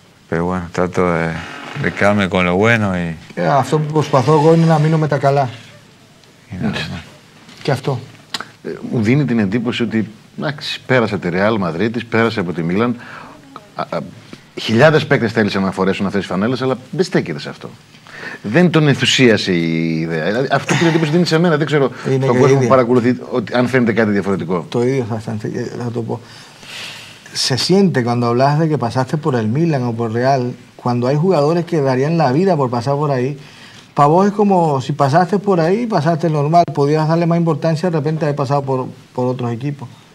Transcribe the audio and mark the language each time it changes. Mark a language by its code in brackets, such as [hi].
[es] Pero bueno, trato de quedarme con lo bueno y. [el] Αυτό που προσπαθώ εγώ είναι να μείνω με τα καλά. Και αυτό. Μου δίνει την εντύπωση ότι πέρασε τη Real Madrid, πέρασε από τη Μίλαν. Χιλιάδες παίκτες θέλησαν να φορέσουν αυτές τις φανέλες, αλλά δεν στέκεται σε αυτό. Δεν τον ενθουσίασε η ιδέα. Αυτό που την εντύπωση δίνει σε μένα, δεν ξέρω τον κόσμο που παρακολουθεί, ότι, αν φαίνεται κάτι διαφορετικό. Το ίδιο θα το πω. [es] Se siente cuando hablas de que pasaste por el Milan o por Real, cuando hay jugadores que darían la vida por pasar por ahí. Para vos es como si pasaste por ahí, pasaste normal, podías darle más importancia de repente haber pasado por otros equipos.